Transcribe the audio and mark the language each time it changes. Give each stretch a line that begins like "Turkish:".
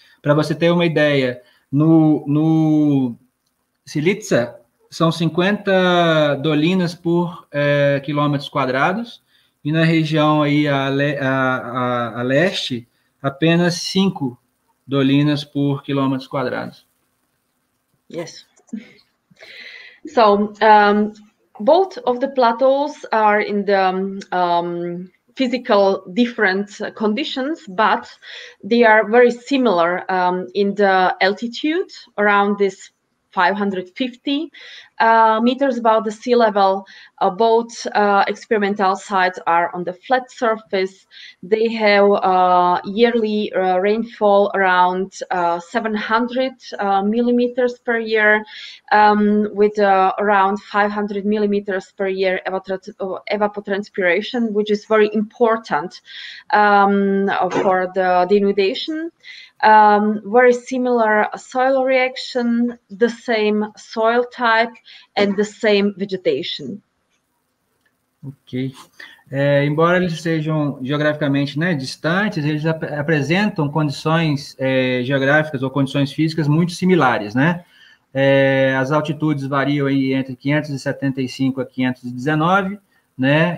Portuguese: Para você ter uma ideia, no Silica são 50 dolinas por quilômetros quadrados, e na região aí a leste, apenas 5 dolinas por quilômetros quadrados.
English: Yes. So, both of the plateaus are in the physical different conditions, but they are very similar in the altitude around this 550 meters above the sea level. Both experimental sites are on the flat surface. They have yearly rainfall around 700 millimeters per year, with around 500 millimeters per year evapotranspiration, which is very important for the denudation. Very similar soil reaction, the same soil type, and the same vegetation. Ok.
Portuguese: É, embora eles sejam geograficamente, né, distantes, eles apresentam condições geográficas ou condições físicas muito similares, né? É, as altitudes variam aí entre 575 a 519, né?